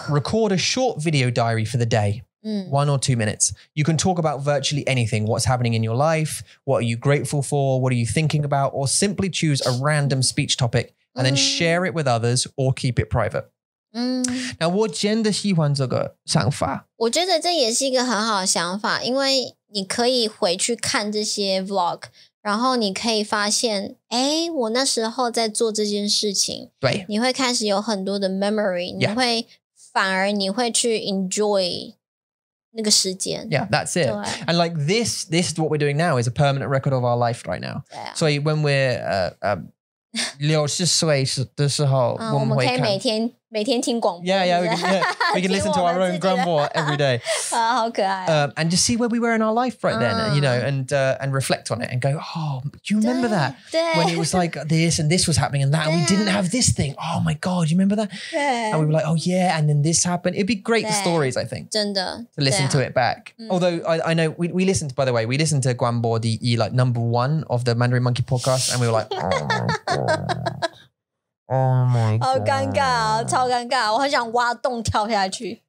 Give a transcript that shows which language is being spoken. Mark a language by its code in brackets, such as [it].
[en] Record a short video diary for the day. 1 or 2 minutes. You can talk about virtually anything. What's happening in your life? What are you grateful for? What are you thinking about? Or simply choose a random speech topic and then share it with others or keep it private. [zh] Now, 我真的喜欢这个想法。我觉得这也是一个很好的想法, 因为你可以回去看这些vlog, 然后你可以发现, 诶, 我那时候在做这件事情, 对, 你会开始有很多的memory, 你会, 反而你会去enjoy, 那个时间, [en] yeah, that's it. 对, and like this is what we're doing now, is a permanent record of our life right now. [zh] 对啊, 所以 [en] when we're [zh] 60岁的时候, 我们可以每天听广播, [en] we can listen to our own grandma every day. [zh] 好可爱啊, [en] and just see where we were in our life right then, you know, and reflect on it and go, oh, do you remember [zh] 对, [en] that? 对, when it was like this and this was happening and that, and we didn't have this thing. Oh my God, do you remember that? [zh] 对, [en] and we were like, oh yeah, and then this happened. It'd be great, 对, the stories, I think. [zh] 真的, [en] to listen [zh] 对啊, [en] to it back. Although I know we listened, by the way, we listened to Guanbo the like number one of the Mandarin Monkey podcast, and we were like, oh my God. Oh my God. [zh] Oh, 尴尬, 超尴尬, 我很想挖洞跳下去。